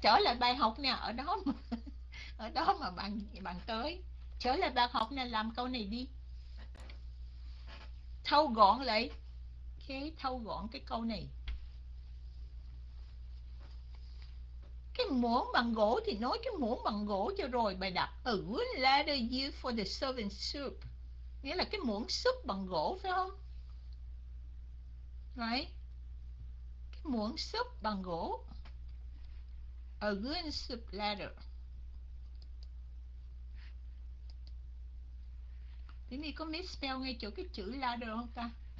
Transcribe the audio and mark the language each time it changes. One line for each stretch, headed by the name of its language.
Vietnamese: Trở lại bài học nè, ở đó mà. Ở đó mà bàn bàn tới. Trở lại bài học nè, làm câu này đi. Thâu gọn lại. Ok, thâu gọn cái câu này. Cái muỗng bằng gỗ thì nói cái muỗng bằng gỗ cho rồi bài đọc.
English: A wooden ladder used for the serving soup.
Vietnamese: Nghĩa là cái muỗng súp bằng gỗ phải không? Right. Muỗng súp bằng gỗ.
English: A wooden soup ladder.
Vietnamese: Thế này có misspell ngay chỗ cái chữ ladder không ta?